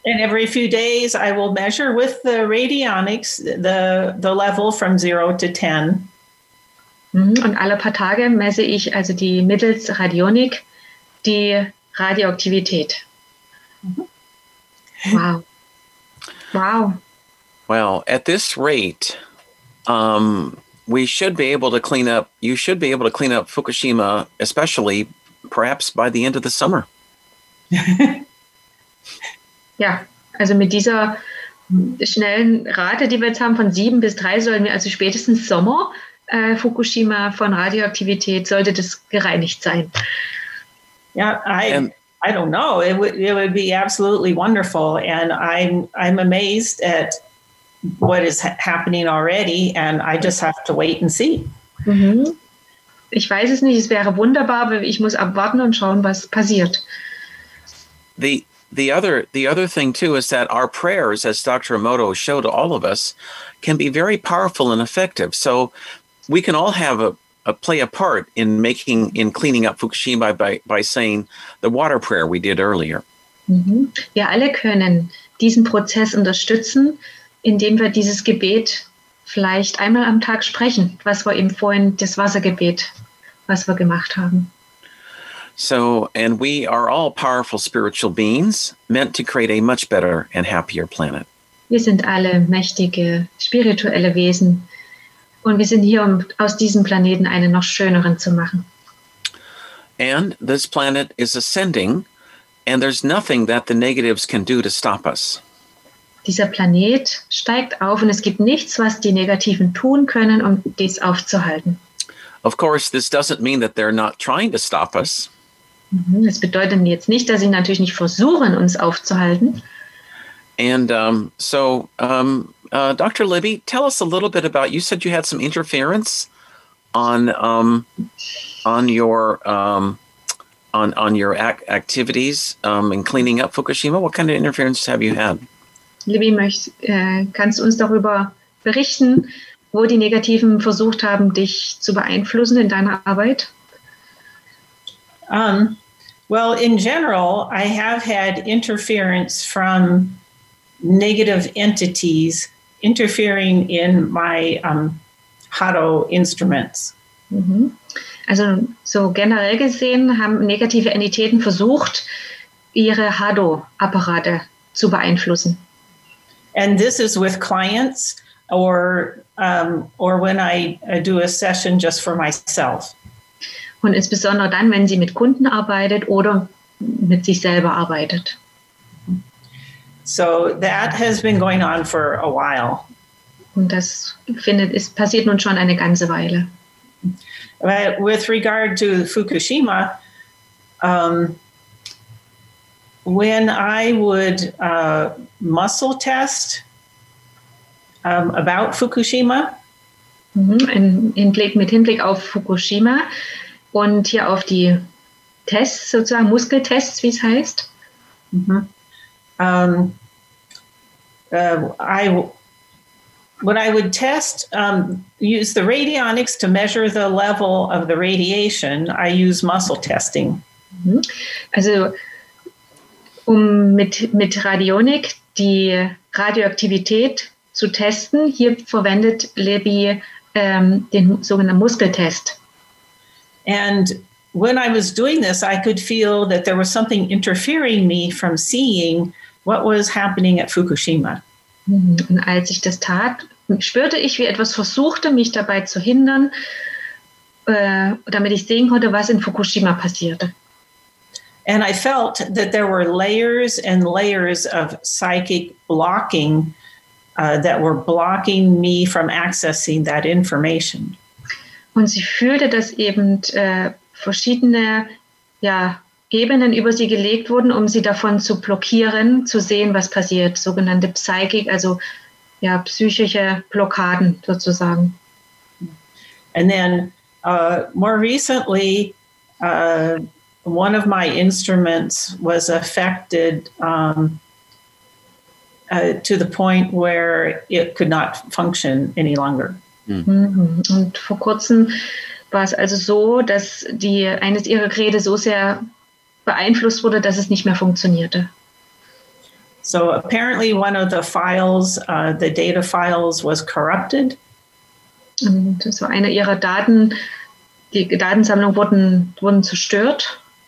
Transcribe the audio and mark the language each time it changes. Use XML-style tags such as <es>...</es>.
<en>And every few days I will measure with the radionics the level from 0 to 10.</en> <de>Und alle paar Tage messe ich also die mittels Radionik die Radioaktivität. Wow.</de> <en>Well, at this rate, we should be able to clean up, you should be able to clean up Fukushima, especially perhaps by the end of the summer.</en> <de>Ja, also mit dieser schnellen Rate, die wir jetzt haben, von 7 bis 3, sollen wir also spätestens Sommer Fukushima von Radioaktivität, sollte das gereinigt sein.</de> <en>Ja, I don't know. It would be absolutely wonderful. And I'm amazed at what is happening already. And I just have to wait and see. Mhm.</en> <de>Ich weiß es nicht. Es wäre wunderbar, aber ich muss abwarten und schauen, was passiert.</de> <en>The other thing too is that our prayers, as Dr. Emoto showed all of us, can be very powerful and effective. So we can all have a play a part in making in cleaning up Fukushima by saying the water prayer we did earlier. Mm-hmm.</en> <de>Wir alle können diesen Prozess unterstützen, indem wir dieses Gebet vielleicht einmal am Tag sprechen, was wir eben vorhin das Wassergebet, was wir gemacht haben.</de> <en>So, and we are all powerful spiritual beings meant to create a much better and happier planet.</en> <de>Wir sind alle mächtige spirituelle Wesen und wir sind hier, um aus diesem Planeten einen noch schöneren zu machen.</de> <en>And this planet is ascending and there's nothing that the negatives can do to stop us.</en> <de>Dieser Planet steigt auf und es gibt nichts, was die Negativen tun können, um dies aufzuhalten.</de> <en>Of course, this doesn't mean that they're not trying to stop us.</en> <de>Das bedeutet jetzt nicht, dass sie natürlich nicht versuchen, uns aufzuhalten.</de> <en>And Dr. Libby, tell us a little bit about, you said you had some interference on your activities in cleaning up Fukushima. What kind of interference have you had?</en> <de>Libby, kannst du uns darüber berichten, wo die Negativen versucht haben, dich zu beeinflussen in deiner Arbeit?</de> <en>Well, in general, I have had interference from negative entities interfering in my Hado instruments.</en> <de>Also so generell gesehen haben negative Entitäten versucht, ihre Hado-Apparate zu beeinflussen.</de> <en>And this is with clients or when I do a session just for myself.</en> <de>Und insbesondere dann, wenn sie mit Kunden arbeitet oder mit sich selber arbeitet.</de> <en>So that has been going on for a while.</en> <de>Und das passiert nun schon eine ganze Weile.</de> <en>But with regard to Fukushima, when I would muscle test about Fukushima.</en> <de>Mit Hinblick auf Fukushima. Und hier auf die Tests, sozusagen Muskeltests, wie es heißt. Mm-hmm.</de> <en>Use the radionics to measure the level of the radiation, I use muscle testing. Mm-hmm.</en> <de>Also, um mit Radionik die Radioaktivität zu testen, hier verwendet Libby den sogenannten Muskeltest.</de> <en>And when I was doing this, I could feel that there was something interfering me from seeing what was happening at Fukushima.</en> <de>Und als ich das tat, spürte ich, wie etwas versuchte, mich dabei zu hindern, damit ich sehen konnte, was in Fukushima passierte.</de> <en>And I felt that there were layers and layers of psychic blocking that were blocking me from accessing that information.</en> <de>Und sie fühlte, dass eben verschiedene Ebenen über sie gelegt wurden, um sie davon zu blockieren, zu sehen, was passiert. Sogenannte Psychic, also psychische Blockaden sozusagen.</de> <en>And then more recently, one of my instruments was affected to the point where it could not function any longer. Mhm.</en> <de>Und vor kurzem war es also so, dass eines ihrer Geräte so sehr beeinflusst wurde, dass es nicht mehr funktionierte.</de> <en>So apparently one of the files, the data files was corrupted.</en> <de>Und so eine ihrer Daten, die Datensammlung wurden zerstört.</de>